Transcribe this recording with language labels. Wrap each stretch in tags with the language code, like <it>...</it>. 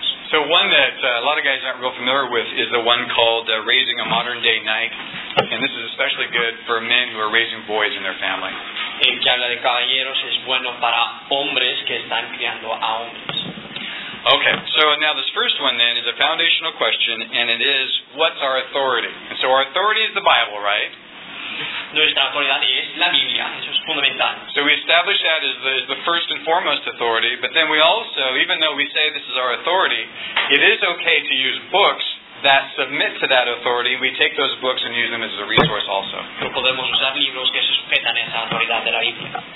<en>So one that a lot of guys aren't real familiar with is the one called Raising a Modern Day Knight, and this is especially good for men who are raising boys in their family.</en> <es>El que habla de caballeros es bueno para hombres que están criando a hombres.</es> <en>Okay, so now this first one then is a foundational question, and it is, what's our authority? And so our authority is the Bible, right?</en> <es>Nuestra autoridad es la Biblia. Eso es fundamental.</es> <en>So we establish that as the first and foremost authority, but then we also, even though we say this is our authority, it is okay to use books that submit to that authority. We take those books and use them as a resource also.</en> <es>Pero podemos usar libros que sujetan esa autoridad de la Biblia.</es>